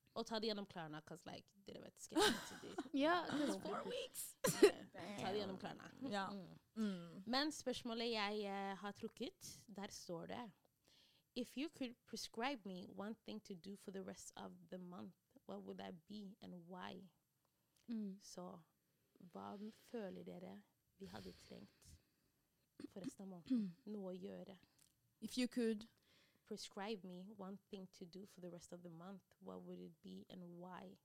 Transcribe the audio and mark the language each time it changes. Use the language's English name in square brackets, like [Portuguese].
[Norwegian] Og ta det gjennom klærne, [English] because like, [Norwegian] dere vet, skal jeg ikke til det. Ja, [English] 4 weeks. [Norwegian] Ta det gjennom klærne. Ja. Men spørsmålet jeg har trukket, der står det. [English] If you could prescribe me one thing to do for the rest of the month, what would that be and why? [Norwegian] Så, hva føler dere vi hadde trengt for resten av måneden? Noe å gjøre. [English] If you could... prescribe me one thing to do for the rest of the month, what would it be and why?